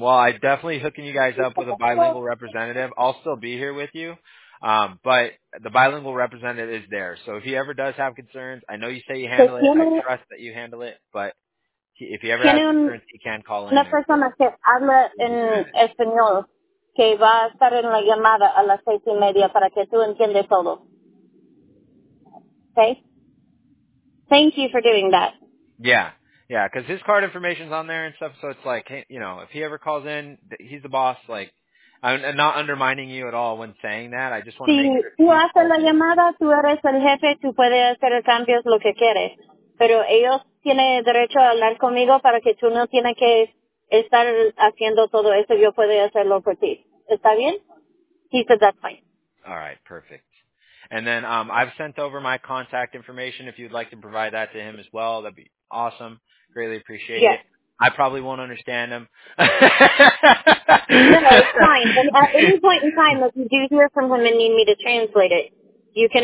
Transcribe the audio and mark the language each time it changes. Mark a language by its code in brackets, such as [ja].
[en] Well, I'm definitely hooking you guys up with a bilingual representative. I'll still be here with you, but the bilingual representative is there. So if he ever does have concerns, I know you say you handle it. I trust that you handle it. But if he ever has concerns, he can call in. [es] Una persona que habla en español que va a estar en la llamada a las 6:30 para que tú entiendas todo. [en] Okay? Thank you for doing that. Yeah. Yeah, because his card information's on there and stuff, so it's like, you know, if he ever calls in, he's the boss. Like, I'm not undermining you at all when saying that. I just want to make sure. [es] Si tú haces la llamada, tú eres el jefe, tú puedes hacer cambios lo que quieres. Pero ellos tienen derecho a hablar conmigo para que tú no tienes que estar haciendo todo eso. Yo puedo hacerlo por ti. ¿Está bien? [en] He said that's fine. All right, perfect. And then I've sent over my contact information. If you'd like to provide that to him as well, that'd be awesome. Greatly appreciate yes. it. I probably won't understand him. No, no, it's fine. But at any point in time, if you do hear from him and need me to translate it, you can